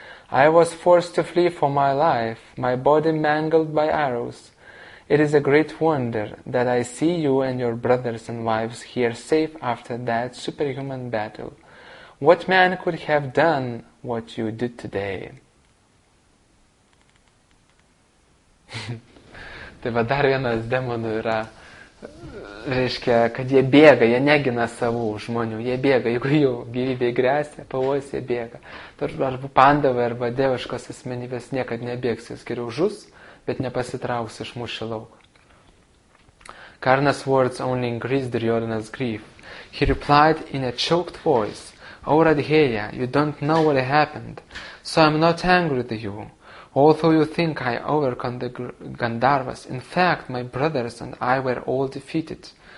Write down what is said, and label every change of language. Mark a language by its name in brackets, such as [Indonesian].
[English] I was forced to flee for my life, my body mangled by arrows. It is a great wonder that I see you and your brothers and wives here safe after that superhuman battle. What man could have done what you did today?" [Lithuanian] Tai va dar vienas demonų yra reiškia, kad jie bėga, jie negina savų žmonių, jie bėga, jeigu jų gyvybė grėsia, pavojus, jie bėga. Arba pandavai, arba dieviškos asmenybės niekad nebėgs, jis geriau žus, bet nepasitrauks iš mūšio lauko. [English] Karna's words only increased Duryodhana's grief. He replied in a choked voice, O Radheya, you don't know what happened, so I'm not angry with you. Although you think I overcome the Gandharvas, in fact, my brothers and I were all defeated.